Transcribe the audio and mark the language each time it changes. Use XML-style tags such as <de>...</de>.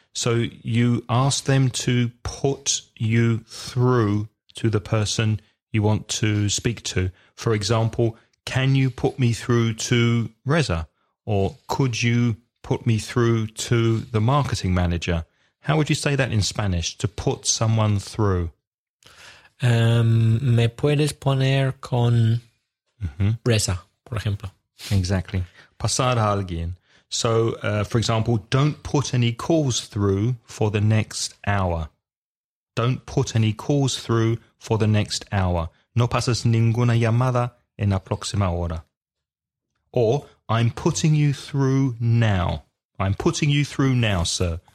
<en>So you ask them to put you through to the person you want to speak to. For example, can you put me through to Reza? Or could you put me through to the marketing manager? How would you say that in Spanish, to put someone through?</en> <es>Me puedes poner con Reza, por ejemplo. Exactly. Pasar a alguien.</es> <en>So, for example, don't put any calls through for the next hour. Don't put any calls through for the next hour.</en> <es>No pasas ninguna llamada en la próxima hora.</es> <en>Or, I'm putting you through now. I'm putting you through now, sir.</en>